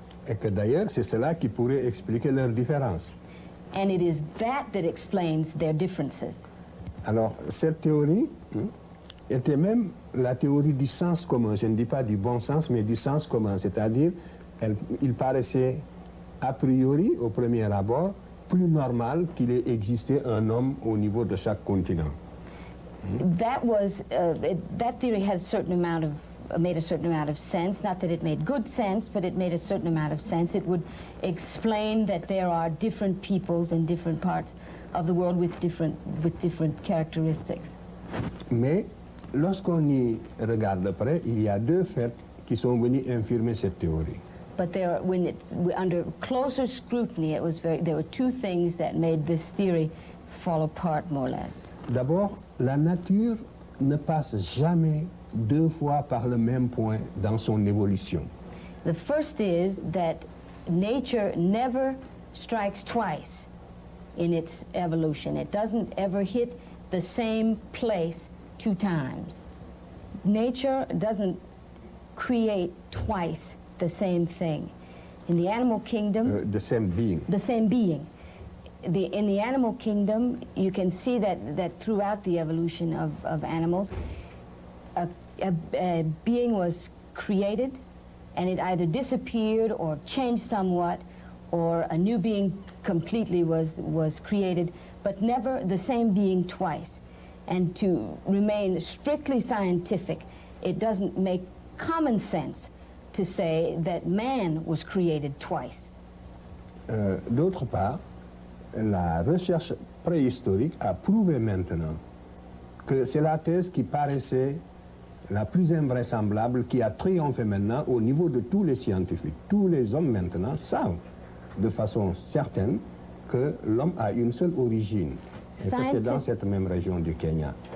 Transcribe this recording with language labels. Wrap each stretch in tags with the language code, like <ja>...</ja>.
<fr>Et que d'ailleurs, c'est cela qui pourrait expliquer leurs différences.</fr> <en>And it is that that explains their differences.</en> <fr>Alors, cette théorie était même la théorie du sens commun. Je ne dis pas du bon sens, mais du sens commun. C'est-à-dire, il paraissait a priori, au premier abord, plus normal qu'il ait existé un homme au niveau de chaque continent.</fr> <en>That was that theory had a certain amount of made a certain amount of sense. Not that it made good sense, but it made a certain amount of sense. It would explain that there are different peoples in different parts of the world with different characteristics.</en> <fr>Mais lorsqu'on y regarde près, il y a deux faits qui sont venus infirmer cette théorie.</fr> <en>But there, when it's under closer scrutiny, it was very. There were two things that made this theory fall apart more or less. D'abord, la nature ne passe jamais deux fois par le même point dans son évolution. The first is that nature never strikes twice in its evolution. It doesn't ever hit the same place two times. Nature doesn't create twice the same thing. In the animal kingdom, the same being. In the animal kingdom, you can see that throughout the evolution of animals, a being was created and it either disappeared or changed somewhat, or a new being completely was created, but never the same being twice. And to remain strictly scientific, it doesn't make common sense to say that man was created twice.</en> <fr>D'autre part, la recherche préhistorique a prouvé maintenant que c'est la thèse qui paraissait la plus invraisemblable qui a triomphé maintenant au niveau de tous les scientifiques. Tous les hommes maintenant savent de façon certaine que l'homme a une seule origine et que c'est dans cette même région du Kenya.</fr>